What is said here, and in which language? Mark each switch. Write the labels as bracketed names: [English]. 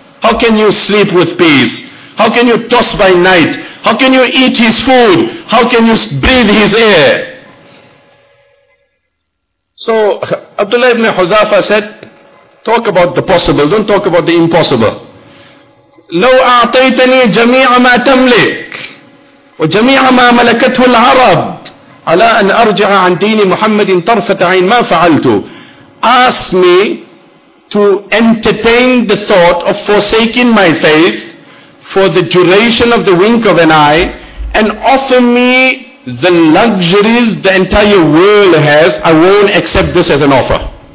[English] How can you sleep with peace? How can you toss by night? How can you eat His food? How can you breathe His air? So, Abdullah ibn Huzafa said, Talk about the possible, don't talk about the impossible. [Arabic] لو أعطيتني جميع ما تملك وجميع ما ملكته العرب على أن أرجع عن دين محمد طرفة عين ما فعلت. [English] Ask me to entertain the thought of forsaking my faith for the duration of the wink of an eye and offer me the luxuries the entire world has, I won't accept this as an offer.